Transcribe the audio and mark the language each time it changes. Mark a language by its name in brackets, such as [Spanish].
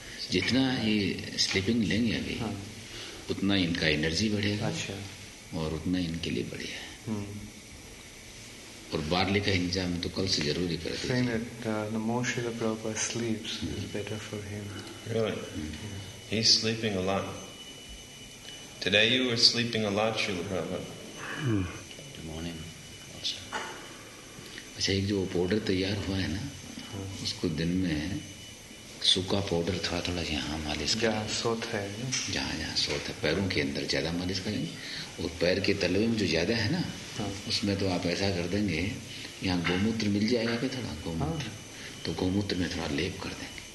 [Hindi] जितना ये स्लीपिंग लेंगे अभी हाँ। उतना इनका एनर्जी बढ़ेगा अच्छा और उतना इनके लिए बढ़िया है और बार्ली का इंतजाम तो कल से जरूरी कर [English] Really? He's sleeping a lot. Today you were sleeping a lot, Srila Prabhupada. Good morning. [Hindi] अच्छा एक जो पाउडर तैयार हुआ है ना उसको दिन में सूखा पाउडर थोड़ा थोड़ा यहाँ मालिश करें जहाँ सोत है जहाँ जहाँ सोत है पैरों के अंदर ज्यादा मालिश करेंगे और पैर के तलवे में जो ज्यादा है ना उसमें तो आप ऐसा कर देंगे यहाँ गोमूत्र मिल जाएगा क्या थोड़ा गोमूत्र तो गोमूत्र में थोड़ा लेप कर देंगे